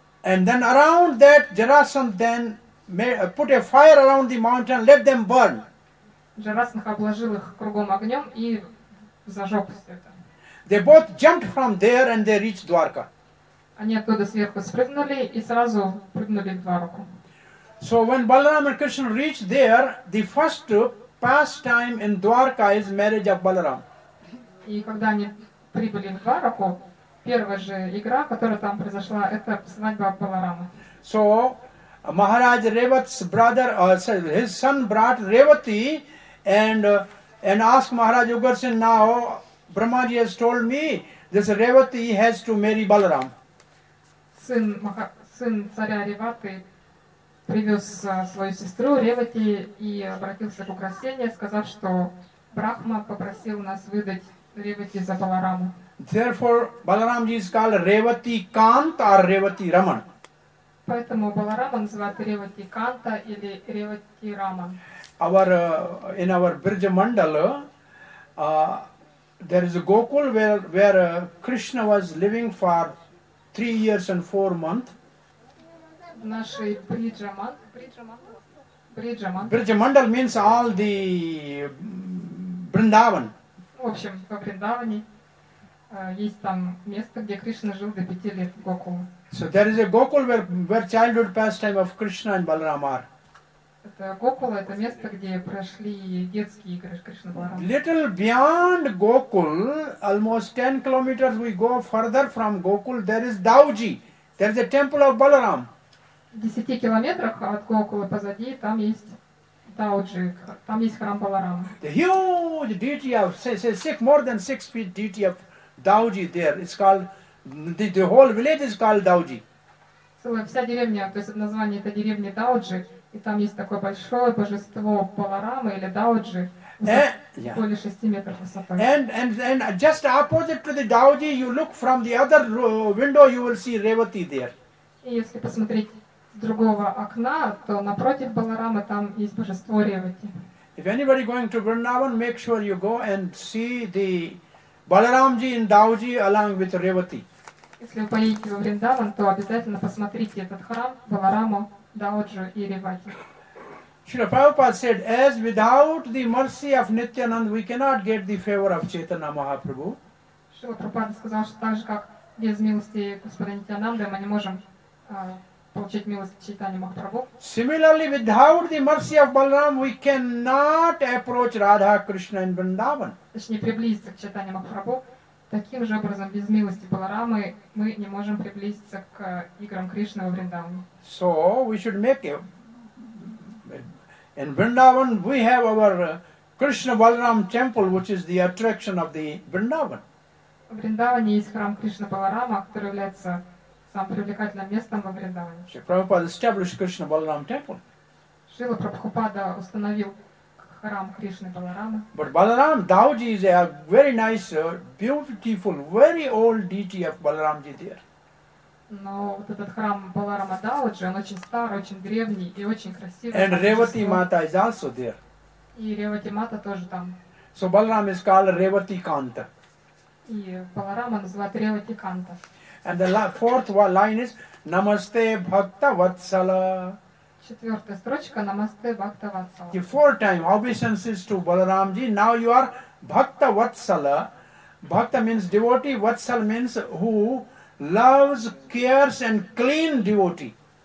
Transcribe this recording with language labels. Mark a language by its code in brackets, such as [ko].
[en] And then around that, Jarasandha then put a fire around the mountain, let them burn. [ru] Джарасандха обложил их кругом огнем и зажег все это. [en] They both jumped from there and they reached Dwarka. [ru] Они оттуда сверху спрыгнули и сразу прыгнули в Дварку. [en] So when Balaram and Krishna reached there, the first pastime in Dwarka is marriage of Balaram. [ru] И когда они прибыли в Дварку, первая же игра, которая там произошла, это свадьба Баларама. [en] So Maharaj Revati's brother, his son brought Revati and asked Maharaj Ugarsen, now Brahmaji has told me this Revati has to marry Balaram. [ru] Сын царя Ревати привез свою сестру Ревати и обратился к Украсене, сказав, что Брахма попросил нас выдать Ревати за Балараму. [en] Therefore, Balaramji is called Revati Kant or Revati Raman. [ru] Поэтому Баларама называют Ревати Канта или Ревати Раман. [en] Our in our Bridge Mandala, there is a Gokul where Krishna was living for 3 years and 4 months. [ru] В нашей Bridge Mandala. [en] Bridge Mandala means all the Vrindavan. [ru] В общем, в Вриндаване есть там место, где Кришна жил до 5 лет в Гокул. [en] So there is a Gokul where childhood pastime of Krishna and Balaram are. [ru] Это Гокула, это место, где прошли детские игры Кришна Баларама. [en] Little beyond Gokul, almost 10 kilometers we go further from Gokul, there is Dauji. There is a temple of Balaram. [ru] В 10 километрах от Гокула позади там есть Дауджи, там есть храм Баларама. [en] The huge deity of, say six, more than 6 feet deity of Dauji there. It's called, the whole village is called Dauji. [ru] Целая вся деревня, то есть название это деревня Дауджи. И там есть такое большое божество Баларамы или Дауджи. Более 6 метров высота. [en] And just opposite to the Dauji, you look from the other window, you will see Revati there. [ru] И если посмотреть с другого окна, то напротив Баларамы там есть божество Ревати. [en] If anybody going to Vrindavan, make sure you go and see the Balaramji in Dauji along with Revati. [ru] Если вы поедете во Вриндаван, то обязательно посмотрите этот храм Балараму, Дауджу и Ревати. [en] Srila Prabhupada said, as without the mercy of Nityananda, we cannot get the favor of Chaitanya Mahaprabhu. [ru] Srila Prabhupada сказал, что так же, как без милости Господа Нитянанды, мы не можем получить милость Чайтанья Махапрабху. [en] Similarly, without the mercy of Balaram, we cannot approach Radha Krishna in Vrindavan. [ru] Точнее, приблизиться к Чайтанья Махапрабху. Таким же образом, без милости Баларамы, мы не можем приблизиться к играм Кришны во Вриндаване. [en] So, we should make it. In Vrindavan, we have our Krishna Balaram temple, which is the attraction of the Vrindavan. [ru] В Вриндаване есть храм Кришна Баларама, который является самым привлекательным местом во Вриндаване. [en] Шрила Прабхупада established Krishna Balaram temple. [ru] Шрила Прабхупада установил храм Кришны Баларамы. [en] But Balaram, Dauji is a very nice, beautiful, very old deity of Balaramji there. [ru] Но вот этот храм Баларама Дауджи, он очень старый, очень древний и очень красивый. [en] And Revati Mata is also there. [ru] И Ревати Мата тоже там. [en] So Balaram is called Revati Kanta. [ru] И Баларама называют Ревати Канта. [en] And the fourth line is [sa] Namaste Bhakta Vatsala. [ru] Четвертая строчка [sa] Namaste Bhakta Vatsala. [en] The four time obeisances to Balaramji. Now you are Bhakta Vatsala. Bhakta means devotee. Vatsala means who loves, cares and clean devotee.